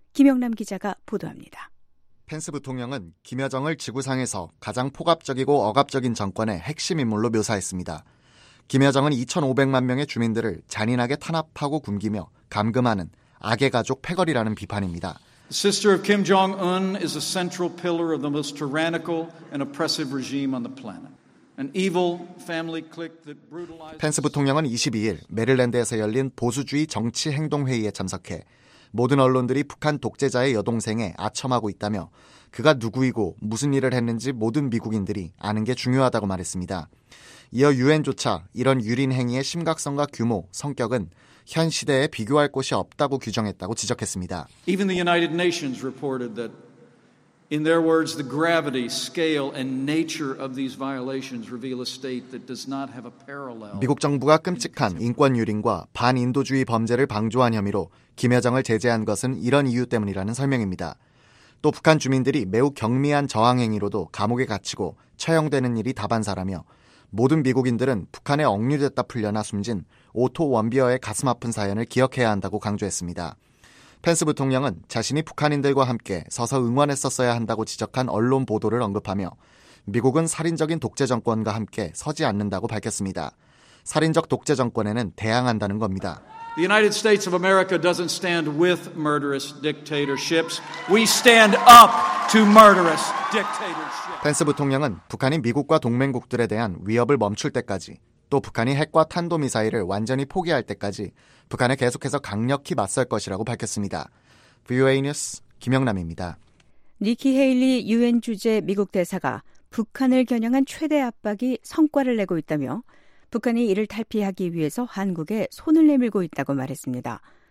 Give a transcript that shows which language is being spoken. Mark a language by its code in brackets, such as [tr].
[ko] 김영남 기자가 보도합니다. 펜스 부통령은 김여정을 지구상에서 가장 폭압적이고 억압적인 정권의 핵심 인물로 묘사했습니다. 김여정은 2,500만 명의 주민들을 잔인하게 탄압하고 굶기며 감금하는 악의 가족 패거리라는 비판입니다. [en] Sister of Kim Jong-un is a central pillar of the most tyrannical and oppressive regime on the planet. An evil family clique that brutalized. [ko] 펜스 부통령은 22일 메릴랜드에서 열린 보수주의 정치 행동 회의에 참석해 모든 언론들이 북한 독재자의 여동생에 아첨하고 있다며 그가 누구이고 무슨 일을 했는지 모든 미국인들이 아는 게 중요하다고 말했습니다. 이어 유엔조차 이런 유린 행위의 심각성과 규모, 성격은 현 시대에 비교할 곳이 없다고 규정했다고 지적했습니다. [en] Even the United Nations reported that, in their words, the gravity, scale, and nature of these violations reveal a state that does not have a parallel. [ko] 미국 정부가 끔찍한 인권 유린과 반인도주의 범죄를 방조한 혐의로 김여정을 제재한 것은 이런 이유 때문이라는 설명입니다. 또 북한 주민들이 매우 경미한 저항 행위로도 감옥에 갇히고 처형되는 일이 다반사라며 모든 미국인들은 북한에 억류됐다 풀려나 숨진 오토 원비어의 가슴 아픈 사연을 기억해야 한다고 강조했습니다. 펜스 부통령은 자신이 북한인들과 함께 서서 응원했었어야 한다고 지적한 언론 보도를 언급하며 미국은 살인적인 독재 정권과 함께 서지 않는다고 밝혔습니다. 살인적 독재 정권에는 대항한다는 겁니다. [en] The United States of America doesn't stand with murderous dictatorships. We stand up to murderous dictatorships. [ko] 펜스 부통령은 북한이 미국과 동맹국들에 대한 위협을 멈출 때까지 또 북한이 핵과 탄도미사일을 완전히 포기할 때까지 북한에 계속해서 강력히 맞설 것이라고 밝혔습니다. VOA 뉴스 김영남입니다. 니키 헤일리 유엔 주재 미국 대사가 북한을 겨냥한 최대 압박이 성과를 내고 있다며 북한이 이를 탈피하기 위해서 한국에 손을 내밀고 있다고 말했습니다.